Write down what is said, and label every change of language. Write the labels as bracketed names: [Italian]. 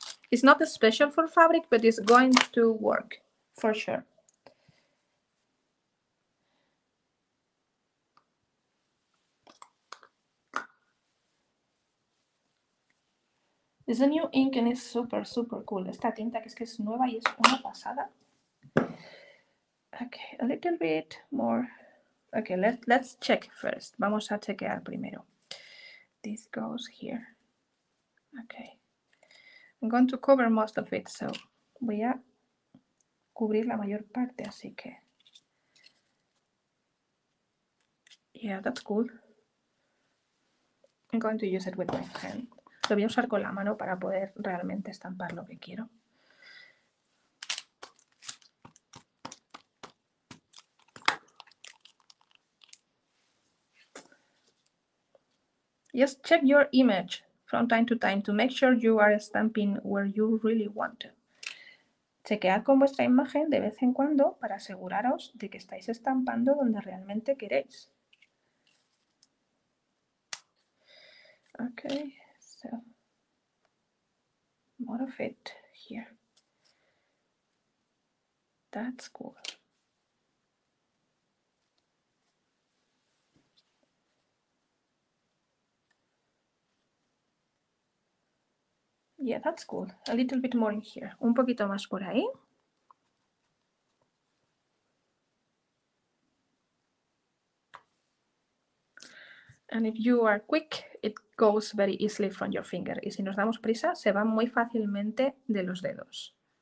[English] It's not special for fabric, but it's going to work for sure. Es a new ink and it's super, super cool. [Spanish] Esta tinta que es nueva y es una pasada. [English] Okay, a little bit more. Okay, let's check first. [Spanish] Vamos a chequear primero. [English] This goes here. [Spanish] Okay. [English] I'm going to cover most of it, so [Spanish] voy a cubrir la mayor parte, así que. [English] Yeah, that's cool. I'm going to use it with my hand. [Spanish] Lo voy a usar con la mano para poder realmente estampar lo que quiero. [English] Just check your image from time to time to make sure you are stamping where you really want to. [Spanish] Chequead con vuestra imagen de vez en cuando para aseguraros de que estáis estampando donde realmente queréis. [English] Okay, so. More of it here. That's cool. Yeah, that's cool. A little bit more in here. [Spanish] Un poquito más por ahí. [English] And if you are quick, it goes very easily from your finger. [Spanish] Y si nos damos prisa, se va muy fácilmente de los dedos.